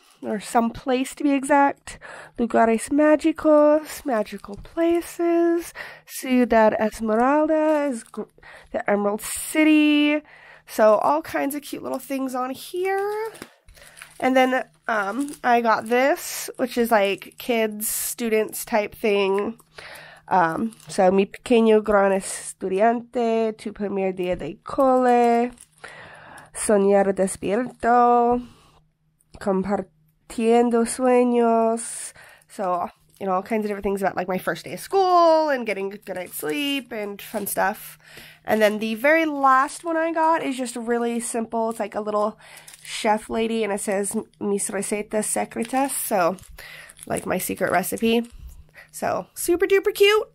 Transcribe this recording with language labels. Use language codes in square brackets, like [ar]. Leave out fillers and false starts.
[en] Or some place to be exact. [es] Lugares mágicos, [en] magical places. Ciudad Esmeralda is the Emerald City. So all kinds of cute little things on here. And then I got this, which is like kids, students type thing. [es] So mi pequeño gran estudiante, tu primer día de cole, soñar despierto, compartir. Tiendo sueños. [en] So, you know, all kinds of different things about like my first day of school and getting a good night's sleep and fun stuff. And then the very last one I got is just really simple. It's like a little chef lady and it says [es] mis recetas secretas. [en] So, like my secret recipe. So, super duper cute.